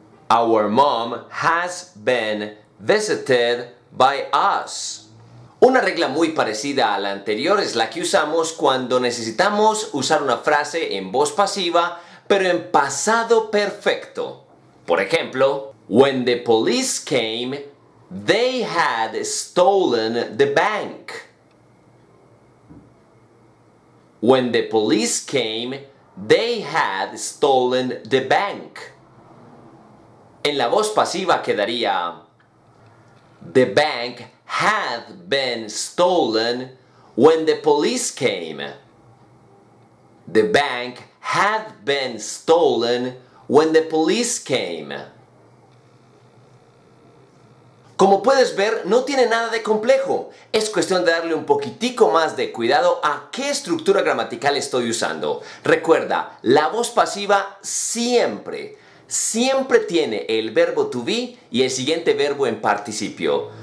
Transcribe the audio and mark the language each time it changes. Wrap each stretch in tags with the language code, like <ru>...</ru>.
<en>Our mom has been visited by us.</en> <es>Una regla muy parecida a la anterior es la que usamos cuando necesitamos usar una frase en voz pasiva, pero en pasado perfecto. Por ejemplo,</es> <en>When the police came, they had stolen the bank. When the police came, they had stolen the bank.</en> <es>En la voz pasiva quedaría</es> <en>The bank had been stolen when the police came. The bank had been stolen when the police came.</en> <es>Como puedes ver, no tiene nada de complejo. Es cuestión de darle un poquitico más de cuidado a qué estructura gramatical estoy usando. Recuerda, la voz pasiva siempre, siempre tiene el verbo to be y el siguiente verbo en participio.</es>